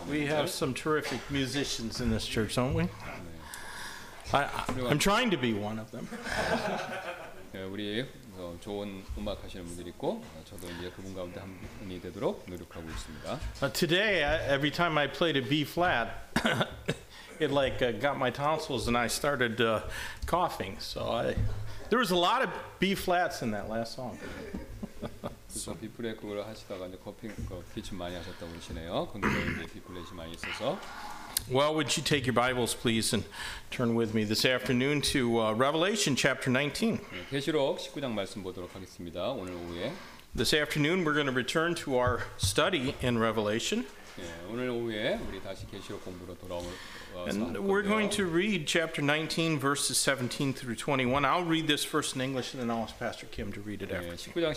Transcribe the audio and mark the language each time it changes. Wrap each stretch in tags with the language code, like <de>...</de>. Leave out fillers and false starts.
<en>We have some terrific musicians in this church, don't we? I'm trying to be one of them.</en> <ko>우리 좋은 음악 하시는 분들 있고 저도 이제 그분 가운데 한 분이 되도록 노력하고 있습니다.</ko> <en>Today, every time I played a B flat, it like got my tonsils and I started coughing. So there was a lot of B flats in that last song.</en> <ko>그래서 비플랫 그걸 하시다가 이제 커핑 기침 많이 하셨다고 그러시네요. 근데 이제 비플랫이 많이 있어서.</ko> <en>Well, would you take your Bibles, please, and turn with me this afternoon to Revelation chapter 19.</en> <ko>계시록 19장 말씀 보도록 하겠습니다. 오늘 오후에.</ko> <en>This afternoon, we're going to return to our study in Revelation.</en> <ko>예, 오늘 오후에 우리 다시 계시록 공부로 돌아올.</ko> <en>And we're going to read chapter 19, verses 17 through 21. I'll read this first in English, and then I'll ask Pastor Kim to read it after.</en>